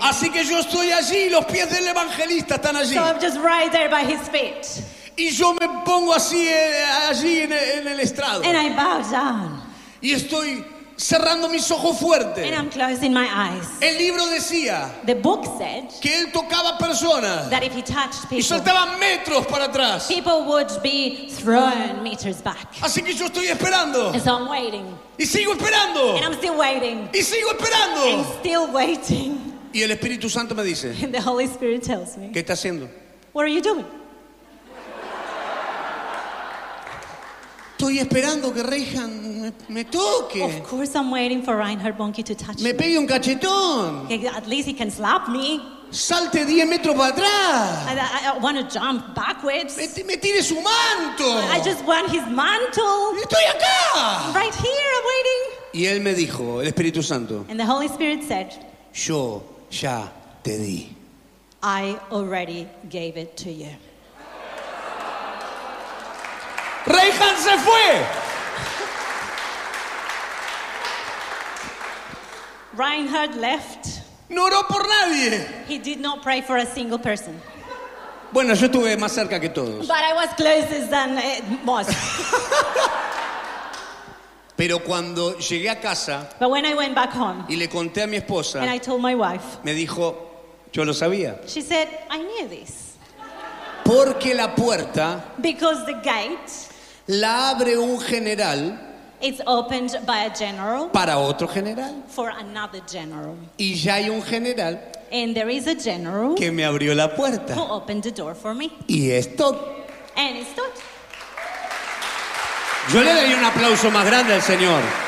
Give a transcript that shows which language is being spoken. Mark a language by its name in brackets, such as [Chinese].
[Spanish] Así que yo estoy allí, los pies del evangelista están allí. [English] So I'm just right there by his feet. [Spanish] Y yo me pongo así allí en el estrado. [English] And I bow down. [Spanish] Y estoy cerrando mis ojos fuerte. [English] And I'm closing my eyes. [Spanish] El libro decía, [English] the book said, [Spanish] que él tocaba personas, [English] that if he touched people, [Spanish] y saltaba metros para atrás, [English] people would be thrown meters back. [Spanish] Así que yo estoy esperando. [English] And so I'm waiting. [Spanish] Y sigo esperando. [English] And I'm still waiting. [Spanish] Y sigo esperando. [English] And still waiting. [Spanish] Y el Espíritu Santo me dice, [English] and the Holy Spirit tells me, [Spanish] ¿qué está haciendo? [English] What are you doing? [Spanish] Estoy esperando que Reihan me toque. [English] Of course I'm waiting for Reinhard Bonnke to touch me. [Spanish] Me pegue un cachetón. [English] At least he can slap me. [Spanish] Salte 10 metros para atrás. [English] I want to jump backwards. [Spanish] Me tire su manto. [English] I just want his mantle. [Spanish] Estoy acá. [English] Right here, I'm waiting. [Spanish] Y él me dijo, el Espíritu Santo. [English] And the Holy Spirit said, [Spanish] yo ya te di. [English] I already gave it to you. [Spanish] Reihan se fue. [English] Reinhard left. [Spanish] No oró por nadie. [English] He did not pray for a single person. [Spanish] Bueno, yo estuve más cerca que todos. [English] But I was closest than most. [Spanish] Pero cuando llegué a casa, [English] but when I went back home, [Spanish] y le conté a mi esposa, [English] and I told my wife, [Spanish] me dijo, yo lo sabía. [English] She said, I knew this. [Spanish] Porque la puerta, [English] because the gate, [Spanish] la abre un general, [English] it's opened by a general, [Spanish] para otro general, [English] for another general. [Spanish] Y ya hay un general, [English] and there is a general, [Spanish] que me abrió la puerta, [English] who opened the door for me. [Spanish] Y es Todd. [English] And it's Todd. [Spanish] Yo le doy un aplauso más grande al Señor.